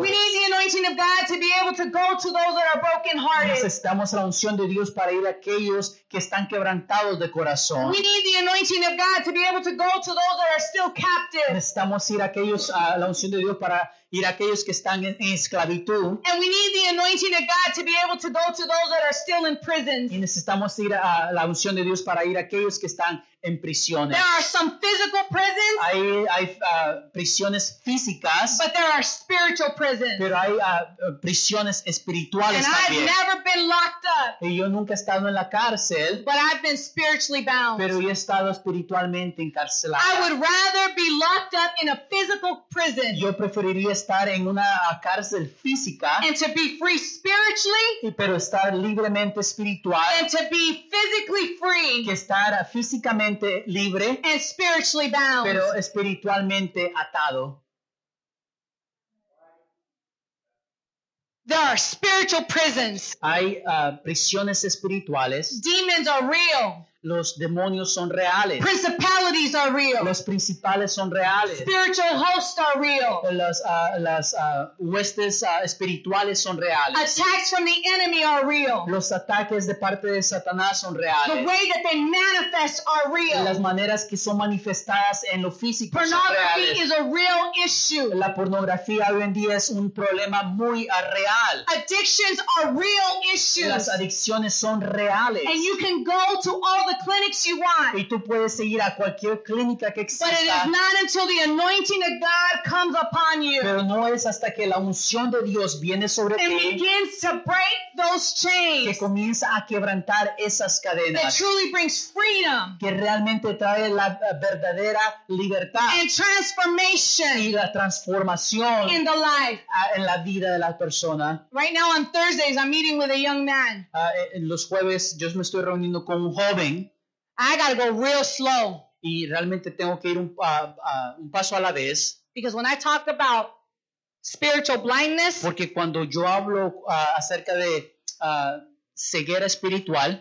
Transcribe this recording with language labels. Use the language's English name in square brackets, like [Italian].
[English] We need the anointing of God to be able to go to those that are broken hearted. [Spanish] Necesitamos la unción de Dios para ir a aquellos que están quebrantados de corazón. [English] We need the anointing of God to be able to go to those that are still captive. [Spanish] Necesitamos ir a aquellos la unción de Dios para ir a aquellos que están en esclavitud. [English] And we need the anointing of God to be able to go to those that are still in prisons. [Spanish] Y necesitamos ir a la unción de Dios para ir a aquellos que están en prisiones. [English] There are some physical prisons. [Spanish] Hay prisiones físicas. [English] But there are spiritual prisons. [Spanish] Pero hay prisiones espirituales también. [English] And I've never been locked up. [Spanish] Y yo nunca he estado en la cárcel. [English] But I've been spiritually bound. [Spanish] Pero yo he estado espiritualmente encarcelado. [English] I would rather be locked up in a physical prison. [Spanish] Yo preferiría estar en una cárcel física. [English] And to be free spiritually. [Spanish] Y pero estar libremente espiritual. [English] And to be physically free. [Spanish] Que estar físicamente libre, [English] and spiritually bound. [Spanish] Pero espiritualmente atado. [English] There are spiritual prisons. [Spanish] Hay prisiones espirituales. [English] Demons are real. [Spanish] Los demonios son reales. [English] Principalities are real. [Spanish] Los principales son reales. [English] Spiritual hosts are real. [Spanish] Las huestes espirituales son reales. [English] Attacks from the enemy are real. [Spanish] Los ataques de parte de Satanás son reales. [English] The way that they manifest are real. [Spanish] Las maneras que son manifestadas en lo físico son reales. [English] Pornography is a real issue. [Spanish] La pornografía hoy en día es un problema muy real. [English] Addictions are real issues. [Spanish] Las adicciones son reales. [English] And you can go to all the clinics you want. [Spanish] Y tú puedes ir a cualquier clínica que exista. [English] But it is not until the anointing of God comes upon you. [Spanish] Pero no es hasta que la unción de Dios viene sobre ti. [English] And begins to break those chains. [Spanish] Que comienza a quebrantar esas cadenas. [English] That truly brings freedom. [Spanish] Que realmente trae la verdadera libertad. [English] And transformation. [Spanish] Y la transformación. [English] In the life. [Spanish] En la vida de la persona. [English] Right now on Thursdays I'm meeting with a young man. [Spanish] En los jueves yo me estoy reuniendo con un joven. [English] I gotta go real slow. [Spanish] Y realmente tengo que ir un paso a la vez. [English] Because when I talk about spiritual blindness, [Spanish] porque cuando yo hablo acerca de ceguera espiritual,